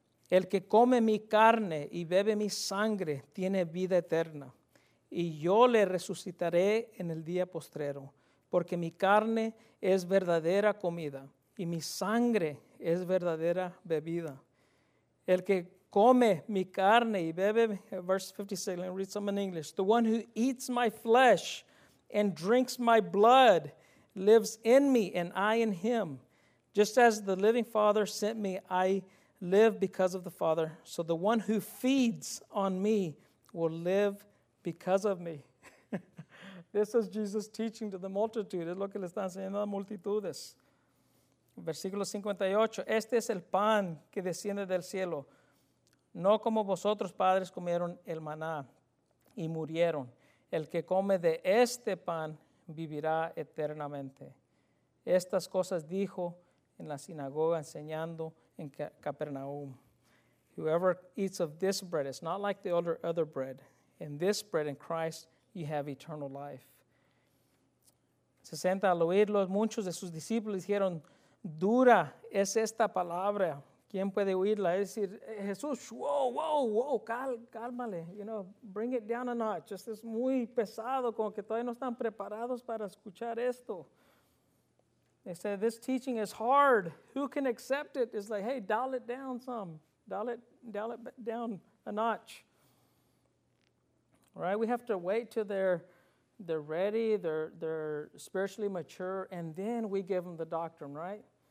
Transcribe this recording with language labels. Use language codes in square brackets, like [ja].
[es] El que come mi carne y bebe mi sangre tiene vida eterna, y yo le resucitaré en el día postrero, porque mi carne es verdadera comida y mi sangre es verdadera bebida. El que come mi carne y bebe, [en] verse 56, let me read some in English. The one who eats my flesh and drinks my blood lives in me and I in him. Just as the living Father sent me, I live because of the Father. So the one who feeds on me will live because of me. This is Jesus teaching to the multitude. [es] Es lo que le están enseñando a las multitudes. Versículo 58, este es el pan que desciende del cielo. No como vosotros, padres, comieron el maná y murieron. El que come de este pan vivirá eternamente. Estas cosas dijo en la sinagoga enseñando en Capernaum. [en] Whoever eats of this bread is not like the other bread. In this bread, in Christ, you have eternal life. [es] Se sienta al oírlo, muchos de sus discípulos dijeron, dura es esta palabra, ¿quién puede oírla? Es decir, Jesús, [en] wow, [es] cálmale, [en] you know, bring it down a notch. [es] Esto es muy pesado, como que todavía no están preparados para escuchar esto. [en] They said, this teaching is hard. Who can accept it? It's like, hey, dial it down some. Dial it down a notch. All right, we have to wait till they're ready, they're spiritually mature, and then we give them the doctrine, right?